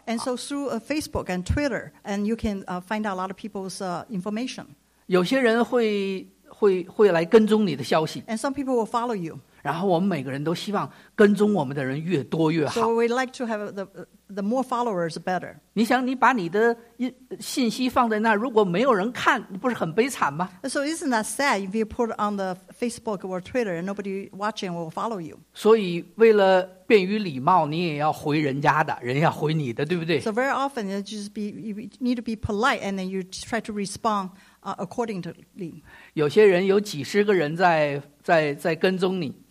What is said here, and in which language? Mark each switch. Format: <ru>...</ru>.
<en>And so through Facebook and Twitter, and you can find out a lot of people's information.</en> <zh>有些人会来跟踪你的消息。</zh> <en>And some people will follow you.</en> <zh>然后我们每个人都希望跟踪我们的人越多越好。</zh> <en>So we like to have the more followers, the better.</en> <zh>你想你把你的信息放在那如果没有人看你不是很悲惨吗</zh> <en>?So isn't that sad if you put on the Facebook or Twitter and nobody watching will follow you?</en> <zh>所以为了便于礼貌你也要回人家的人要回你的对不对</zh> <en>?So very often you just be, you need to be polite and then you try to respond accordingly.</en> <zh>有些人有几十个人在跟踪你。</zh>